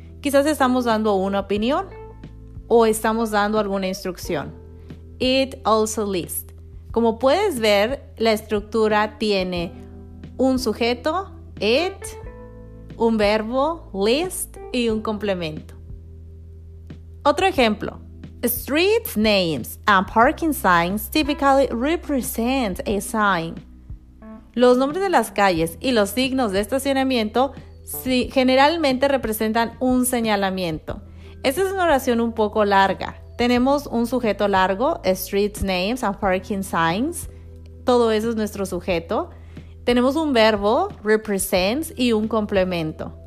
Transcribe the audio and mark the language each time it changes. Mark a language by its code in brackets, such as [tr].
[es] Quizás estamos dando una opinión o estamos dando alguna instrucción. [en] It also lists. [es] Como puedes ver, la estructura tiene un sujeto, it, un verbo, list, y un complemento. Otro ejemplo. [en] Street names and parking signs typically represent a sign. [es] Los nombres de las calles y los signos de estacionamiento generalmente representan un señalamiento. Esta es una oración un poco larga. Tenemos un sujeto largo, [en] street names and parking signs. [es] Todo eso es nuestro sujeto. Tenemos un verbo, represents, y un complemento.